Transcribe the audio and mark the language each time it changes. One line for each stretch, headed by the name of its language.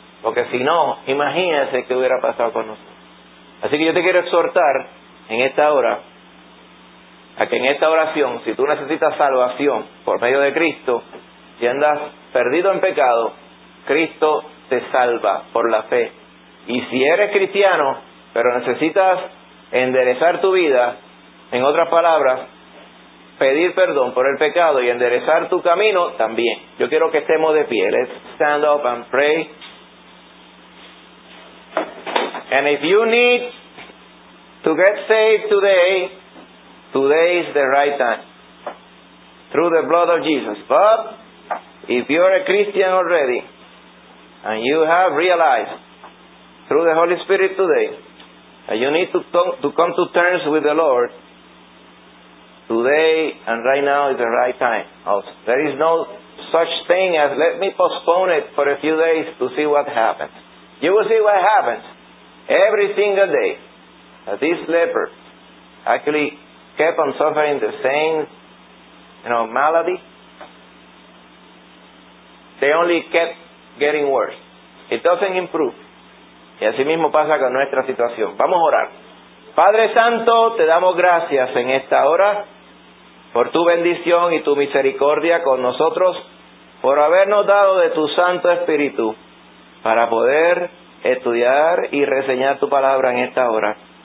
Spanish: Porque si no, imagínese qué hubiera pasado con nosotros. Así que yo te quiero exhortar en esta hora, a que en esta oración, si tú necesitas salvación por medio de Cristo, si andas perdido en pecado, Cristo te salva por la fe. Y si eres cristiano, pero necesitas enderezar tu vida, en otras palabras, pedir perdón por el pecado y enderezar tu camino, también. Yo quiero que estemos de pie.
English: Let's stand up and pray. And if you need to get saved today, today is the right time. Through the blood of Jesus. But if you are a Christian already, and you have realized through the Holy Spirit today that you need to come to terms with the Lord, today and right now is the right time. Also, there is no such thing as let me postpone it for a few days to see what happens. You will see what happens every single day. This leper actually kept on suffering the same, you know, malady. They only kept getting worse. It doesn't improve.
Spanish: Y así mismo pasa con nuestra situación. Vamos a orar. Padre Santo, te damos gracias en esta hora por tu bendición y tu misericordia con nosotros, por habernos dado de tu Santo Espíritu para poder estudiar y reseñar tu palabra en esta hora.